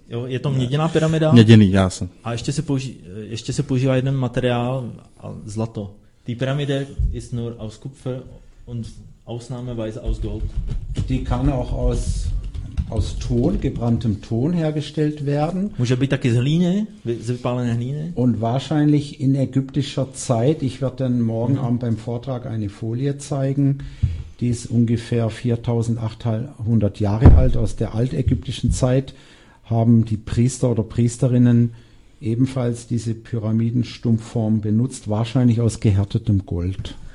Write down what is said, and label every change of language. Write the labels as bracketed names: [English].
[Czech] jo, je to měděná pyramida? Měděný, já jsem. A ještě se používá jeden materiál, zlato. [German] Die Pyramide ist nur aus Kupfer und ausnahmeweise aus Gold. Die kann auch aus Ton, gebranntem Ton hergestellt werden. [Czech] Může být taky z hlíny, z vypálené hlíny. [German] Und wahrscheinlich in ägyptischer Zeit, ich werde dann morgen Abend beim Vortrag eine Folie zeigen, die ist ungefähr 4800 Jahre alt, aus der altägyptischen Zeit, haben die Priester oder Priesterinnen ebenfalls diese Pyramidenstumpfform benutzt, wahrscheinlich aus gehärtetem Gold.